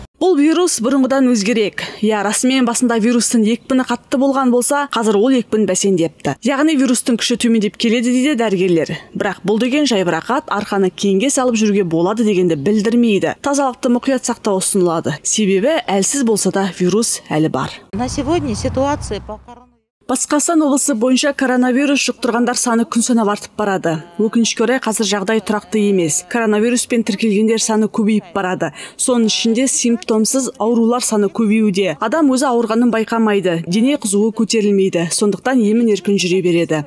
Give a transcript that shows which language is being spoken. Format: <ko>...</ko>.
<kk>Бұл вирус бұрынғыдан өзгерек. Я, расымен басында вирустың екпіні қатты болған болса, қазір ол екпін бәсеңдепті. Яғни вирустың күші төмендеп келеді дейді дәрігерлер. Бірақ бұл деген жайбарақат арқаны кеңге салып жүруге болады дегенді білдірмейді. Тазалықты мұқият сақтау ұсынылады. Себебі әлсіз болса да вирус әлі бар.</kk> <ru>На сегодня ситуация по коронавирусу.</ru> <kk>Батыс Қазақстан облысы бойынша коронавирус жұқтырғандар саны күн санап артып барады. Өкінішке орай қазір жағдай тұрақты емес. Коронавируспен тіркелгендер саны көбейіп барады. Соның ішінде симптомсыз аурулар саны көбеюде. Адам өзі ауырғанын байқамайды, дене қызуы көтерілмейді, сондықтан емін еркін жүре береді.</kk>